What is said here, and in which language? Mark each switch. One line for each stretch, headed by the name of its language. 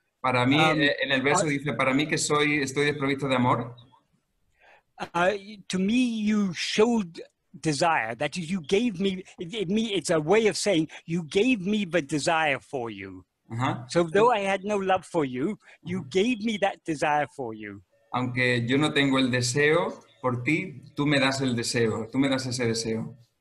Spanish: Para mí, en el verso dice, para mí que estoy desprovisto de amor.
English: To me, you showed desire. That is, you gave me, it's a way of saying, you gave me the desire for you. So though I had no love for you, you gave me that desire for you.
Spanish: Aunque yo no tengo el deseo por ti, tú me das el deseo, tú me das ese deseo.